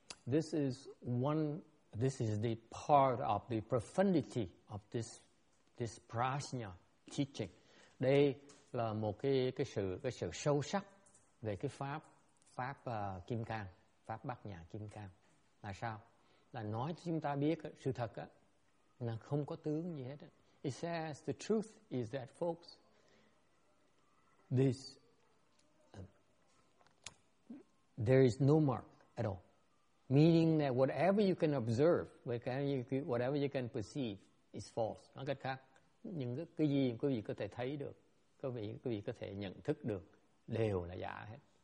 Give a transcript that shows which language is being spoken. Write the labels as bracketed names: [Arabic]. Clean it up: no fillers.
[English] This is the part of the profundity of this prajna teaching. [Vietnamese] Đây là một cái sự sâu sắc về cái pháp kim cang, pháp bát nhã kim cang. Là sao? Là nói cho chúng ta biết sự thật á, là không có tướng gì hết. [English] It says the truth is that, folks, this there is no mark at all. Meaning that whatever you can observe, whatever you can perceive is false. [Vietnamese] Nói cách khác, những cái gì quý vị có thể thấy được, quý vị có thể nhận thức được, đều là giả hết.